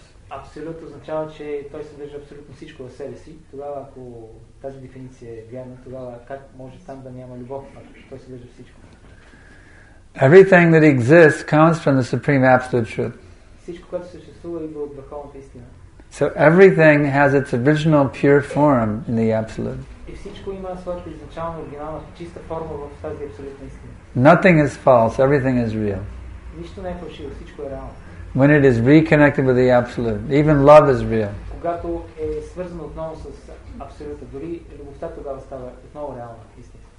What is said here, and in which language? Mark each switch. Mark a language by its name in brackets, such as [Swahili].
[Bulgarian] Абсолют означава, че той съдържа абсолютно всичко в себе си. Тогава, ако тази дефиниция е вярна, тогава как може там да няма любов, ако той съдържа всичко? [English] Everything that exists comes from the Supreme Absolute Truth. [Bulgarian] Всичко, което съществува, идва от Върховната истина. [English] So everything has its original pure form in the Absolute. [Bulgarian] И всичко има своята изначална, оригинална, чиста форма в тази абсолютна истина. [English] Nothing is false, everything is real. [Bulgarian] Нищо не е фалшиво, всичко е реално. [English] When it is reconnected with the Absolute, even love is real. [Bulgarian] Когато е свързано отново с Абсолюта, дори любовта тогава става отново реална истина.